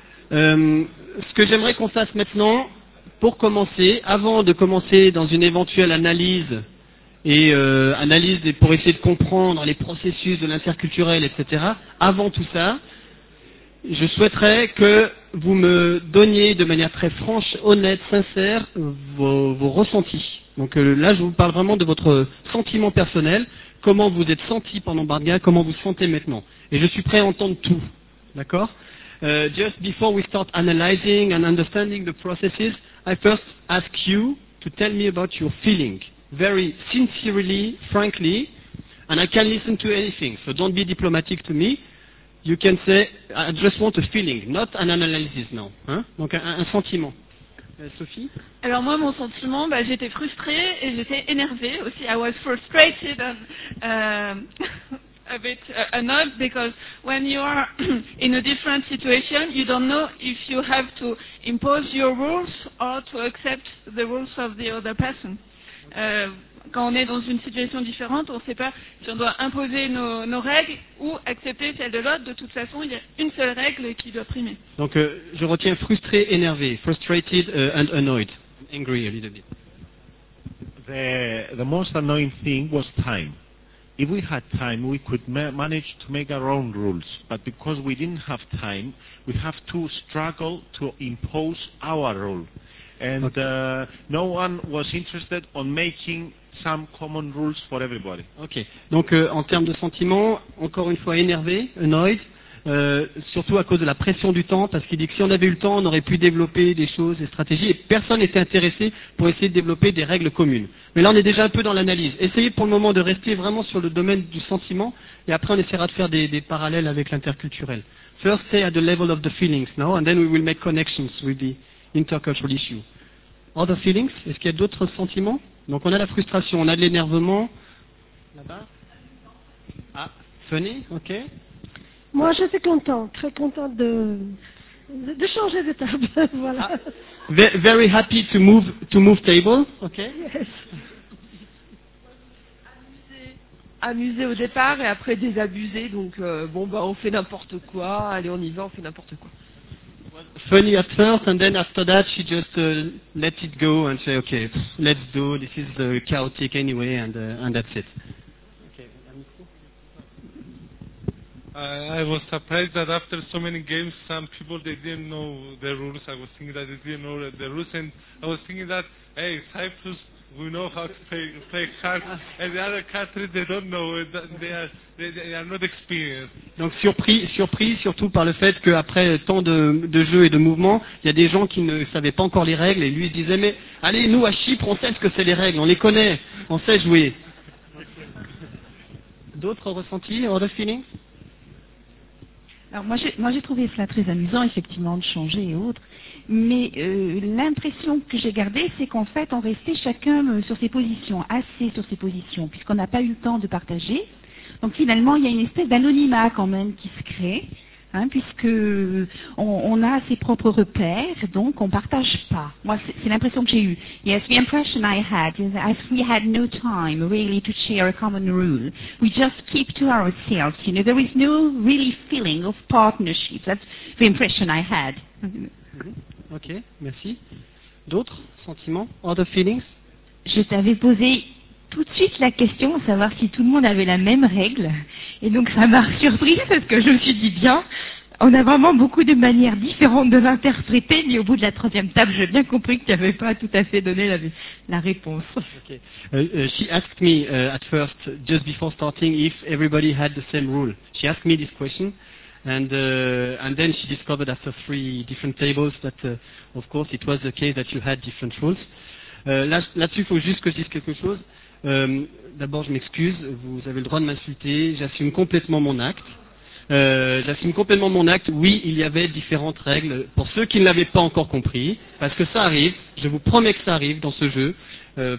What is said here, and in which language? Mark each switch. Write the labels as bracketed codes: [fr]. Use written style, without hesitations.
[fr] Ce que j'aimerais qu'on fasse maintenant, pour commencer, avant de commencer dans une éventuelle analyse, et analyse pour essayer de comprendre les processus de l'interculturel, etc., avant tout ça, je souhaiterais que vous me donniez de manière très franche, honnête, sincère, vos ressentis. Donc là, je vous parle vraiment de votre sentiment personnel, comment vous êtes senti pendant Barga, comment vous sentez maintenant. Et je suis prêt à entendre tout, d'accord? [en] Just before we start analyzing and understanding the processes, I first ask you to tell me about your feeling, very sincerely, frankly, and I can listen to anything, so don't be diplomatic to me. You can say, I just want a feeling, not an analysis now. [fr] Hein? Donc un sentiment. Sophie? Alors moi, mon sentiment, bah, j'étais frustrée et j'étais énervée aussi. [en] I was frustrated and a bit annoyed because when you are in a different situation, you don't know if you have to impose your rules or to accept the rules of the other person. [fr] Quand on est dans une situation différente, on ne sait pas si on doit imposer nos règles ou accepter celles de l'autre. De toute façon, il y a une seule règle qui doit primer. Donc, je retiens frustré, énervé. [en] Frustrated and annoyed. Angry a little bit. The most annoying thing was time. If we had time, we could manage to make our own rules. But because we didn't have time, we have to struggle to impose our rule. And no one was interested on making some common rules for everybody. Ok. [fr] Donc, en termes de sentiments, encore une fois énervé, annoyed, surtout à cause de la pression du temps, parce qu'il dit que si on avait eu le temps, on aurait pu développer des choses, des stratégies, et personne n'était intéressé pour essayer de développer des règles communes. Mais là, on est déjà un peu dans l'analyse. Essayez pour le moment de rester vraiment sur le domaine du sentiment, et après, on essaiera de faire des parallèles avec l'interculturel. [en] First, stay at the level of the feelings, no? And then we will make connections with the intercultural issue. Other feelings? [fr] Est-ce qu'il y a d'autres sentiments? Donc on a la frustration, on a de l'énervement. Là-bas. Ah, Fanny, ok. Moi, je suis content, très content de changer de table, voilà. [en] Ah, very happy to move table, ok. Yes. [fr] Amusé au départ et après désabusé, donc on fait n'importe quoi, allez, on y va, on fait n'importe quoi. [en] Funny at first, and then after that, she just let it go and say, "Okay, let's do. This is chaotic anyway, and that's it." I was surprised that after so many games, some people they didn't know the rules. I was thinking that they didn't know the rules, and I was thinking that, hey, Cyprus, we know how to play cards, and the other countries they don't know. They are not experienced. [fr] Donc surpris surtout par le fait qu'après tant de jeux et de mouvements, il y a des gens qui ne savaient pas encore les règles, et lui se disait, mais allez, nous à Chypre, on sait ce que c'est les règles, on les connaît, on sait jouer. D'autres ressentis, [en] other feelings? [fr] Alors moi j'ai trouvé cela très amusant, effectivement, de changer et autres, mais l'impression que j'ai gardée, c'est qu'en fait, on restait chacun sur ses positions, assez sur ses positions, puisqu'on n'a pas eu le temps de partager. Donc finalement, il y a une espèce d'anonymat quand même qui se crée, hein, puisque on a ses propres repères, donc on ne partage pas. Moi, c'est l'impression que j'ai eue. [en] Yes, the impression I had is that we had no time really to share a common rule. We just keep to ourselves, you know. There is no really feeling of partnership. That's the impression I had. [fr] Ok, merci. D'autres sentiments? [en] Other feelings? [fr] Je t'avais posé tout de suite la question, savoir si tout le monde avait la même règle. Et donc ça m'a surprise parce que je me suis dit, bien, on a vraiment beaucoup de manières différentes de l'interpréter, mais au bout de la troisième table, j'ai bien compris que tu n'avais pas tout à fait donné la réponse. [en] Okay. She asked me at first, just before starting, if everybody had the same rule. She asked me this question. And then she discovered after three different tables that, of course, it was the case that you had different rules. [fr] Là-dessus, il faut juste que je dise quelque chose. D'abord, je m'excuse, vous avez le droit de m'insulter, j'assume complètement mon acte. Oui, il y avait différentes règles, pour ceux qui ne l'avaient pas encore compris, parce que ça arrive, je vous promets que ça arrive dans ce jeu.